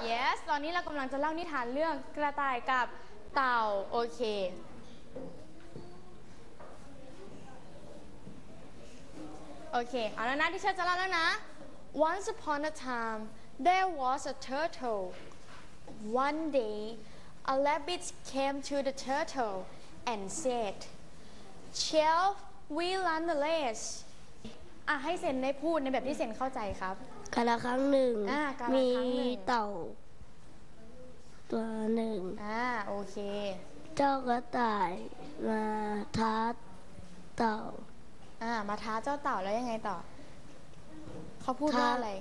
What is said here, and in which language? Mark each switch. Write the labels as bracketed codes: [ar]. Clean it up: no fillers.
[th] Yes ตอนนี้เรากำลังจะเล่านิทานเรื่องกระต่ายกับเต่าโอเคโอเคเอาแล้วนะที่เชิญจะเล่าแล้วนะ [en] Once upon a time there was a turtle. One day a rabbit came to the turtle and said, "Shall we run the race?" [th] ให้เซนได้พูดในแบบที่เซนเข้าใจครับ กาลครั้งหนึ่งมี เต่าตัวหนึ่ง โอเค เจ้ากระต่ายมาท้าเต่าม าท้าเจ้าเต่าแล้วยังไงต่อเขาพูดว่าอะไร